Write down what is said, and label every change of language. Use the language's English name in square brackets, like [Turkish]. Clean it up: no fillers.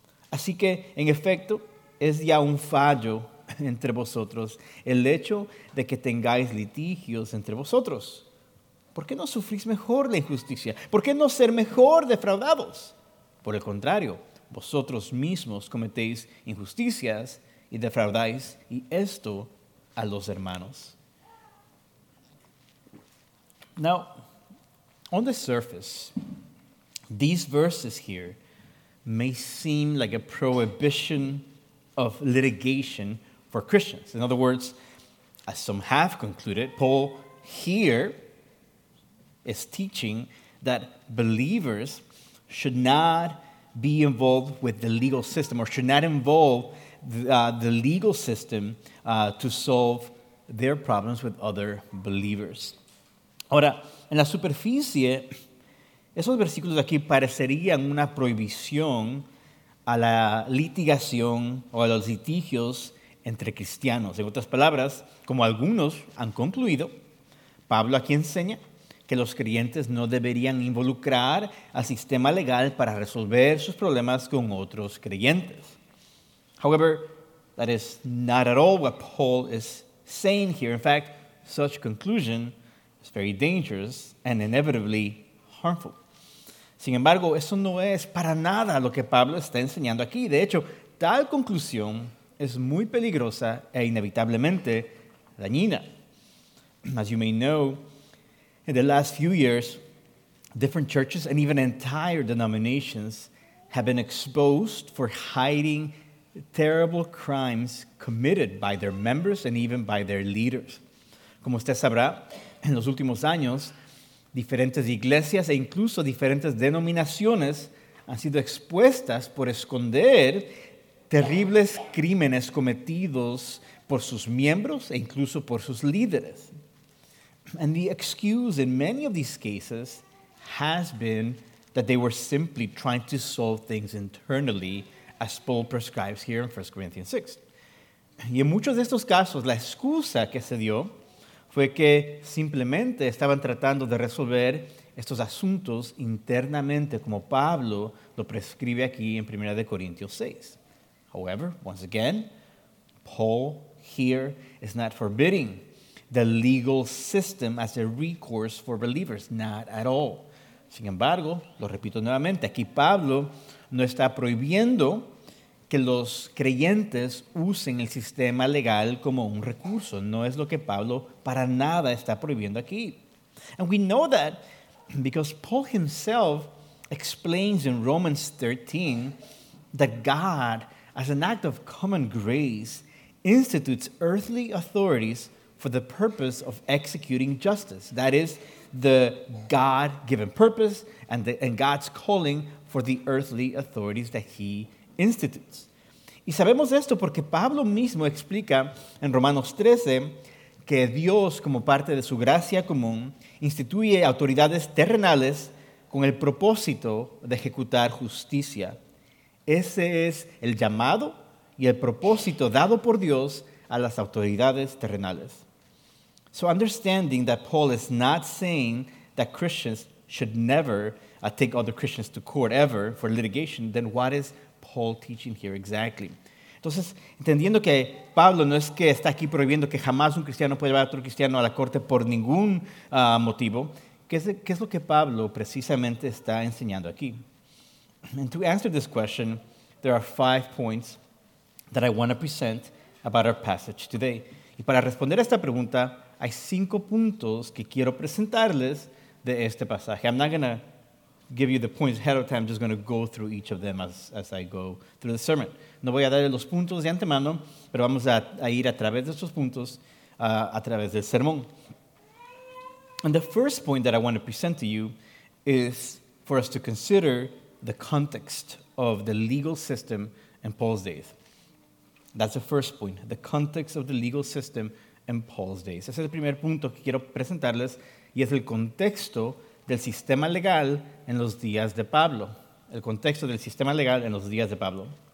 [Spanish] Así que, en efecto, es ya un fallo entre vosotros el hecho de que tengáis litigios entre vosotros. ¿Por qué no sufrís mejor la injusticia? ¿Por qué no ser mejor defraudados? Por el contrario, vosotros mismos cometéis injusticias y defraudáis, y esto a los hermanos. [English] Now, on the surface, these verses here may seem like a prohibition of litigation for Christians. In other words, as some have concluded, Paul here is teaching that believers should not be involved with the legal system, or should not involve the legal system to solve their problems with other believers. [Spanish] Ahora, en la superficie, esos versículos aquí parecerían una prohibición a la litigación o a los litigios entre cristianos. En otras palabras, como algunos han concluido, Pablo aquí enseña que los creyentes no deberían involucrar al sistema legal para resolver sus problemas con otros creyentes. [English] However, that is not at all what Paul is saying here. In fact, such conclusion is very dangerous and inevitably harmful. [Spanish] Sin embargo, eso no es para nada lo que Pablo está enseñando aquí. De hecho, tal conclusión es muy peligrosa e inevitablemente dañina. [English] As you may know, in the last few years, different churches and even entire denominations have been exposed for hiding terrible crimes committed by their members and even by their leaders. [Spanish] Como usted sabrá, en los últimos años, diferentes iglesias e incluso diferentes denominaciones han sido expuestas por esconder terribles crímenes cometidos por sus miembros e incluso por sus líderes. [English] And the excuse in many of these cases has been that they were simply trying to solve things internally, as Paul prescribes here in 1 Corinthians 6. [Spanish] Y en muchos de estos casos, la excusa que se dio fue que simplemente estaban tratando de resolver estos asuntos internamente, como Pablo lo prescribe aquí en 1 Corinthians 6. [English] However, once again, Paul here is not forbidding the legal system as a recourse for believers, not at all. [Spanish] Sin embargo, lo repito nuevamente, aquí Pablo no está prohibiendo que los creyentes usen el sistema legal como un recurso. No es lo que Pablo para nada está prohibiendo aquí. [English] And we know that because Paul himself explains in Romans 13 that God as an act of common grace, institutes earthly authorities for the purpose of executing justice. That is the God-given purpose and God's calling for the earthly authorities that he institutes. [Spanish] Y sabemos esto porque Pablo mismo explica en Romanos 13 que Dios, como parte de su gracia común, instituye autoridades terrenales con el propósito de ejecutar justicia. Ese es el llamado y el propósito dado por Dios a las autoridades terrenales. [English] So understanding that Paul is not saying that Christians should never take other Christians to court ever for litigation, then what is Paul teaching here exactly? [Spanish] Entonces, entendiendo que Pablo no es que está aquí prohibiendo que jamás un cristiano pueda llevar a otro cristiano a la corte por ningún motivo, ¿qué es lo que Pablo precisamente está enseñando aquí? [English] And to answer this question, there are 5 points that I want to present about our passage today. [Spanish] Y para responder a esta pregunta, hay 5 puntos que quiero presentarles de este pasaje. [English] I'm not going to give you the points ahead of time. I'm just going to go through each of them as I go through the sermon. [Spanish] No voy a darle los puntos de antemano, pero vamos a ir a través de estos puntos a través del sermón. [English] And the first point that I want to present to you is for us to consider the context of the legal system in Paul's days. That's the first point, the context of the legal system in Paul's days. [Spanish] Ese es el primer punto que quiero presentarles y es el contexto del sistema legal en los días de Pablo. El contexto del sistema legal en los días de Pablo.